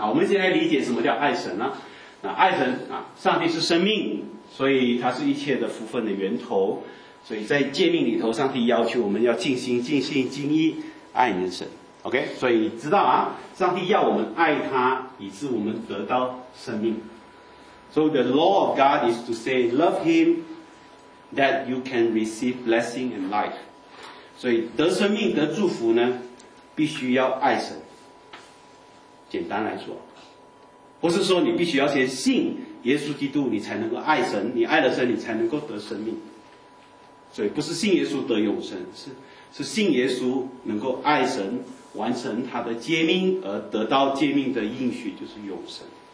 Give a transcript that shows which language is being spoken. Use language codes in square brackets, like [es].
[zh] 好，我们现在理解什么叫爱神呢？啊，爱神啊，上帝是生命，所以他是一切的福分的源头。所以在诫命里头，上帝要求我们要尽心、尽性、尽意爱你的神。 OK， 所以知道啊，上帝要我们爱他，以致我们得到生命。 [en] So the law of God is to say, love him, that you can receive blessing and life. [zh] 所以得生命、得祝福呢，必须要爱神。简单来说，不是说你必须要先信耶稣基督，你才能够爱神；你爱了神，你才能够得生命。所以不是信耶稣得永生，是信耶稣能够爱神，完成他的诫命，而得到诫命的应许，就是永生。